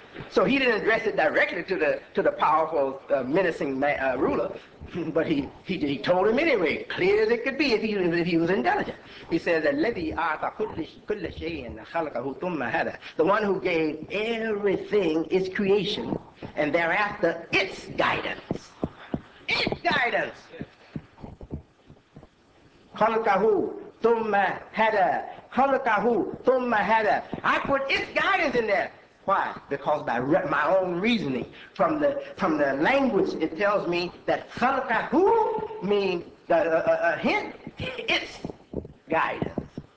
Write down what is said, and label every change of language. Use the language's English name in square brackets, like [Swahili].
[English] So he didn't address it directly to the powerful, menacing ruler. But he told him anyway, clear as it could be, if he was intelligent. He said, [Arabic] الَّذِي أَعْطَى كُلَّ شَيْءٍ خَلْقَهُ ثُمَّ هَدَى. [English] The one who gave everything its creation, and thereafter its guidance. Its guidance! [Arabic] خَلْقَهُ ثُمَّ هَدَى. خَلْقَهُ ثُمَّ هَدَى. [English] I put its guidance in there. Why? Because by my own reasoning, from the language, it tells me that خلقه means a hint, its guidance.